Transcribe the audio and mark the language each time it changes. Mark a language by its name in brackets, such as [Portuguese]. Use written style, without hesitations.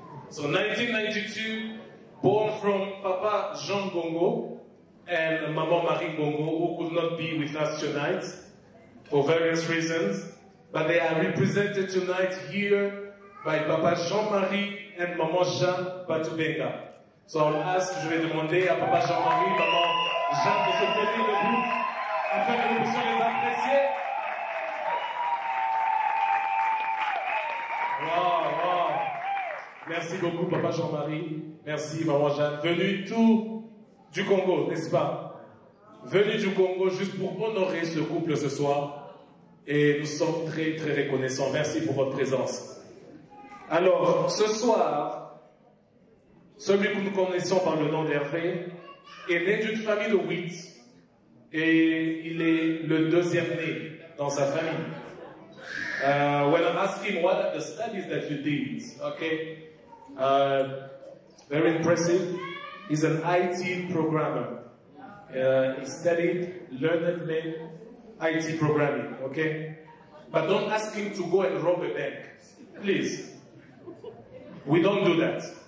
[English] So 1992, born from Papa Jean Gongo and Maman Marie Gongo, who could not be with us tonight for various reasons, but they are represented tonight here by Papa Jean-Marie and Maman Jean Batubenga. So I'll ask, [French] je vais demander à Papa Jean-Marie, Maman Jean, de se tenir debout afin que nous puissions les apprécier. Wow, wow. Merci beaucoup, Papa Jean-Marie. Merci, Maman Jean. Venu tout du Congo, n'est-ce pas? Venu du Congo juste pour honorer ce couple ce soir. Et nous sommes très, très reconnaissants. Merci pour votre présence. Alors, ce soir, celui que nous connaissons par le nom d'Hervé est né d'une famille de 8. Et il est le deuxième né dans sa famille. [English] When I'm asking what are the studies that you did, okay? Very impressive. He's an IT programmer. He studied learned men IT programming, okay? But don't ask him to go and rob a bank, please. We don't do that.